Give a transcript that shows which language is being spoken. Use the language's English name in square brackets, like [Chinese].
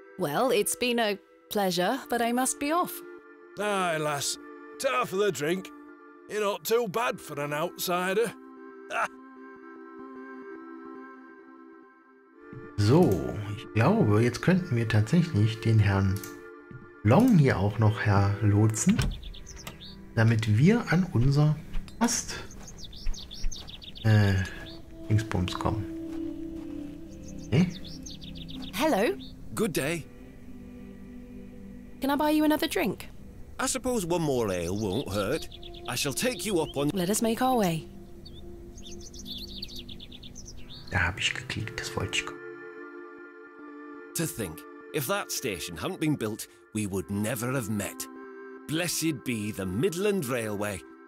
[English] Well, it's been a pleasure, but I must be off. Aye, lass. Ta for the drink. You're not too bad for an outsider. [German] So, ich glaube, jetzt könnten wir tatsächlich den Herrn Long hier auch noch herlotsen, damit wir an unser Ast Dingsbums kommen. [English] Hey? Hello. Good day. Can I buy you another drink? I suppose one more ale won't hurt. I shall take you up on... Let us make our way. [German] Da habe ich geklickt, das wollte ich kommen. [English] To think, if that station hadn't been built, we would never have met. Blessed be the Midland Railway.